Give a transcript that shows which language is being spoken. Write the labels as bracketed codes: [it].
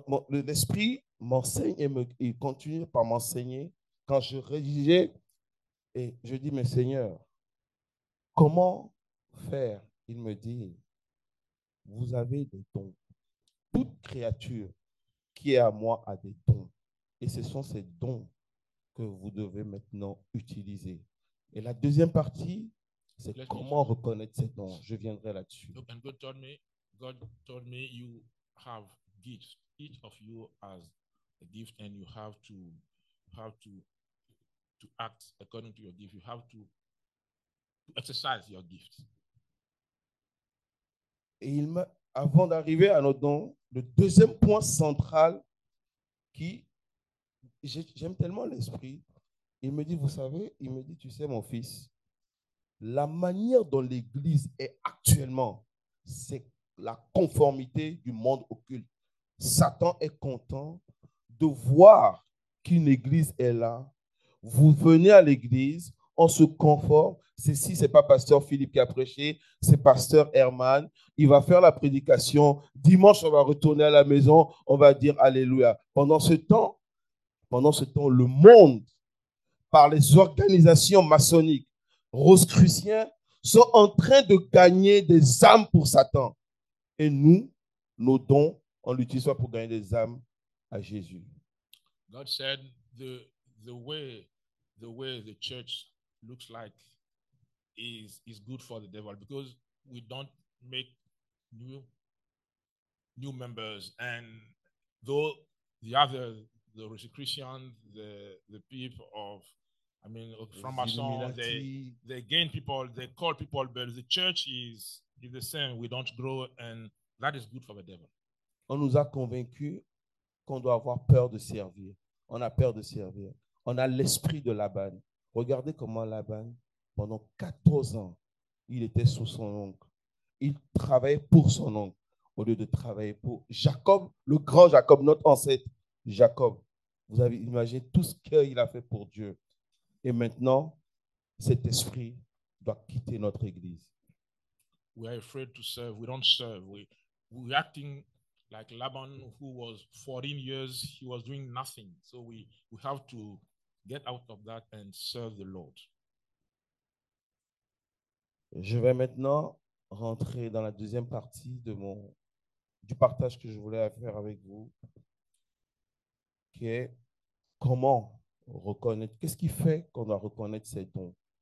[fr] L'Esprit m'enseigne et il continue par m'enseigner quand je rédigeais et je dis, mais Seigneur, comment faire? Il me dit, vous avez des dons. Toute créature qui est à moi a des dons. Et ce sont ces dons que vous devez maintenant utiliser. Et la deuxième partie, c'est Let comment me... reconnaître ces dons. Je viendrai là-dessus. [en] Look, and God told me you have gifts. Each of you has a gift and you have to act according to your gift. You have to exercise your gift. [fr] Et avant d'arriver à nos dons, le deuxième point central qui, j'aime tellement l'esprit, il me dit, vous savez, il me dit, tu sais mon fils, la manière dont l'Église est actuellement, c'est la conformité du monde occulte. Satan est content de voir qu'une Église est là. Vous venez à l'Église, on se conforme. C'est si ce n'est pas pasteur Philippe qui a prêché, c'est pasteur Herman. Il va faire la prédication. Dimanche, on va retourner à la maison. On va dire Alléluia. Pendant ce temps, le monde, par les organisations maçonniques, rosicruciens, sont en train de gagner des âmes pour Satan. Et nous, nos dons, on l'utilise pour gagner des âmes à Jésus. [en] God said the way the church looks like is good for the devil because we don't make new members and though the other the Rosicrucians the people of I mean Francmasons they gain people they call people but the church is the same we don't grow and that is good for the devil. [fr] On nous a convaincus qu'on doit avoir peur de servir. On a peur de servir. On a l'esprit de Laban. Regardez comment Laban, pendant 14 ans, il était sous son oncle. Il travaillait pour son oncle au lieu de travailler pour Jacob, le grand Jacob, notre ancêtre Jacob. Vous avez imaginé tout ce qu'il a fait pour Dieu. Et maintenant, cet esprit doit quitter notre église. [en] We are afraid to serve. We don't serve. We're acting like Laban, who was 14 years, he was doing nothing. So we have to get out of that and serve the Lord. [fr] Je vais maintenant rentrer dans la deuxième partie du partage que je voulais faire avec vous, qui est comment reconnaître, qu'est-ce qui fait qu'on doit reconnaître ces dons?